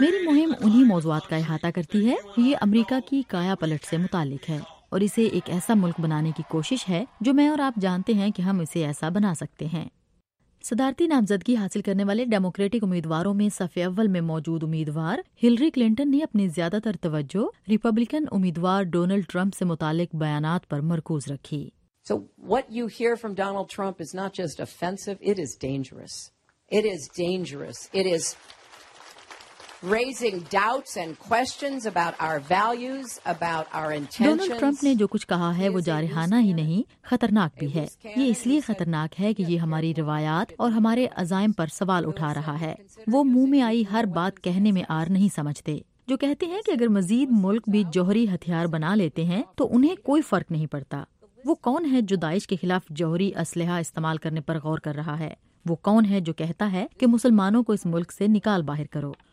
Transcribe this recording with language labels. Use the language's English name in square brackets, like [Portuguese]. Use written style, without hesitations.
[Urdu] میری مہم انہی موضوعات کا احاطہ کرتی ہے۔ یہ امریکہ کی کایا پلٹ سے متعلق ہے اور اسے ایک ایسا ملک بنانے کی کوشش ہے جو میں اور آپ جانتے ہیں کہ ہم اسے ایسا بنا سکتے ہیں۔ صدارتی نامزدگی حاصل کرنے والے ڈیموکریٹک امیدواروں میں صف اول میں موجود امیدوار ہلری کلنٹن نے اپنی زیادہ تر توجہ ریپبلکن امیدوار ڈونلڈ ٹرمپ سے متعلق بیانات پر مرکوز رکھی۔ [English] So what you hear from Donald Trump is not just offensive, it is dangerous. It is dangerous. It is raising doubts and questions about our values, about our intentions. [Urdu] Donald Trump نے جو کچھ کہا ہے وہ جارحانہ ہی نہیں، خطرناک بھی ہے۔ یہ اس لیے خطرناک ہے کہ یہ ہماری روایات اور ہمارے عزائم پر سوال اٹھا رہا ہے۔ وہ منہ میں آئی ہر بات کہنے میں آر نہیں سمجھتے، جو کہتے ہیں کہ اگر مزید ملک بھی جوہری ہتھیار بنا لیتے ہیں تو انہیں کوئی فرق نہیں پڑتا۔ وہ کون ہے جو داعش کے خلاف جوہری اسلحہ استعمال کرنے پر غور کر رہا ہے؟ وہ کون ہے جو کہتا ہے کہ مسلمانوں کو اس ملک سے نکال باہر کرو؟